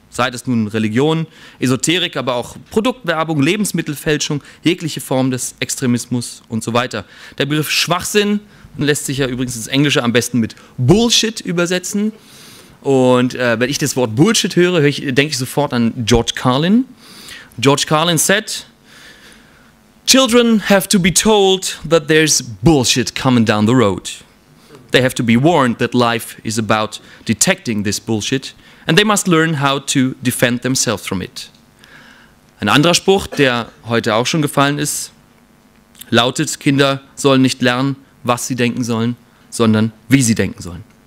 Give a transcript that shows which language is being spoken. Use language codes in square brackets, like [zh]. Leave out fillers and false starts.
[de] Sei es nun Religion, Esoterik, aber auch Produktwerbung, Lebensmittelfälschung, jegliche Form des Extremismus und so weiter. Der Begriff Schwachsinn lässt sich ja übrigens ins Englische am besten mit Bullshit übersetzen. Und wenn ich das Wort Bullshit höre, denke ich sofort an George Carlin. [en] George Carlin said, "Children have to be told that there's bullshit coming down the road. They have to be warned that life is about detecting this bullshit and they must learn how to defend themselves from it." [de] Ein anderer Spruch, der heute auch schon gefallen ist, lautet, Kinder sollen nicht lernen, was sie denken sollen, sondern wie sie denken sollen.